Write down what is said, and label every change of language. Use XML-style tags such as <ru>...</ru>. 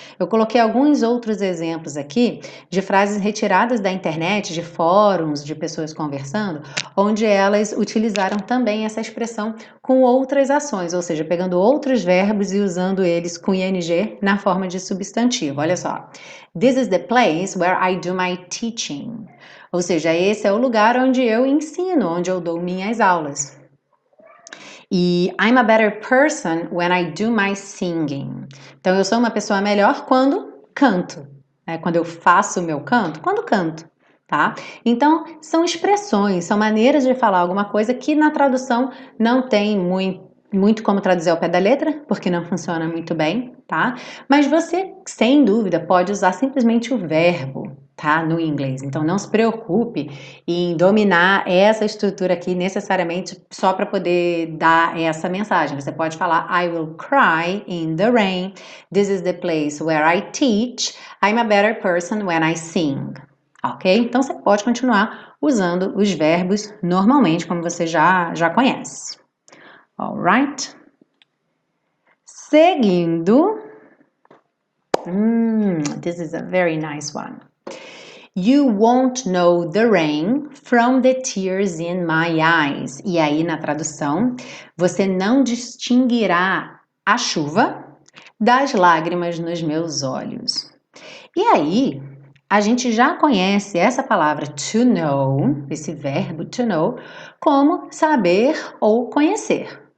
<pt>Eu coloquei alguns outros exemplos aqui de frases retiradas da internet, de fóruns, de pessoas conversando, onde elas utilizaram também essa expressão com outras ações, ou seja, pegando outros verbos e usando eles com ing na forma de substantivo. Olha só.</pt> <en>This is the place where I do my teaching.</en> <pt>Ou seja, esse é o lugar onde eu ensino, onde eu dou minhas aulas.</pt> <en>E I'm a better person when I do my singing.</en> <pt>Então, eu sou uma pessoa melhor quando canto, né? Quando eu faço o meu canto, quando canto, tá? Então, são expressões, são maneiras de falar alguma coisa que na tradução não tem muito como traduzir ao pé da letra, porque não funciona muito bem, tá? Mas você, sem dúvida, pode usar simplesmente o verbo, tá? No inglês. Então, não se preocupe em dominar essa estrutura aqui necessariamente só para poder dar essa mensagem. Você pode falar,</pt> <en>I will cry in the rain. This is the place where I teach. I'm a better person when I sing. Ok?</en> <pt>Então, você pode continuar usando os verbos normalmente, como você já conhece. Alright? Seguindo.</pt> <en>This is a very nice one. You won't know the rain from the tears in my eyes.</en> <pt>E aí, na tradução, você não distinguirá a chuva das lágrimas nos meus olhos. E aí, a gente já conhece essa palavra to know, esse verbo to know, como saber ou conhecer.</pt>